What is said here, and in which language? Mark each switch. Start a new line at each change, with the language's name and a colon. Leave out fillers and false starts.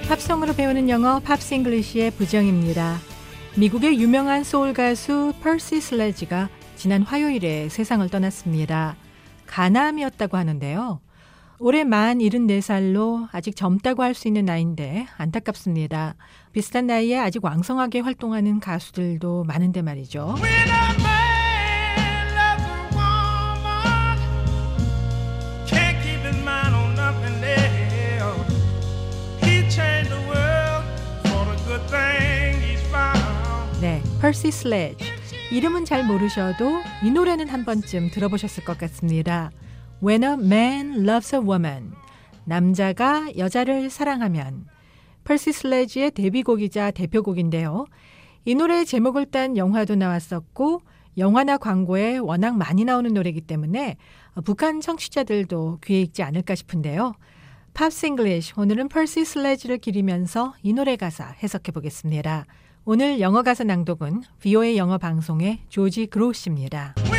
Korean: 팝송으로 배우는 영어 Pops English의 부정입니다. 미국의 유명한 소울 가수 Percy Sledge가 지난 화요일에 세상을 떠났습니다. 간암이었다고 하는데요. 올해 만 74살로 아직 젊다고 할 수 있는 나이인데 안타깝습니다. 비슷한 나이에 아직 왕성하게 활동하는 가수들도 많은데 말이죠.
English: When a man loves a woman, can't keep his mind on nothing else. He changed the world for a good thing he's found.
Korean: 네, Percy Sledge. 이름은 잘 모르셔도 이 노래는 한 번쯤 들어보셨을 것 같습니다. When a man loves a woman, 남자가 여자를 사랑하면, Percy Sledge의 데뷔곡이자 대표곡인데요. 이 노래의 제목을 딴 영화도 나왔었고 영화나 광고에 워낙 많이 나오는 노래이기 때문에 북한 청취자들도 귀에 익지 않을까 싶은데요. Pops English, 오늘은 Percy Sledge를 기리면서 이 노래 가사 해석해보겠습니다. 오늘 영어 가사 낭독은 VOA 영어 방송의 조지 그로우입니다.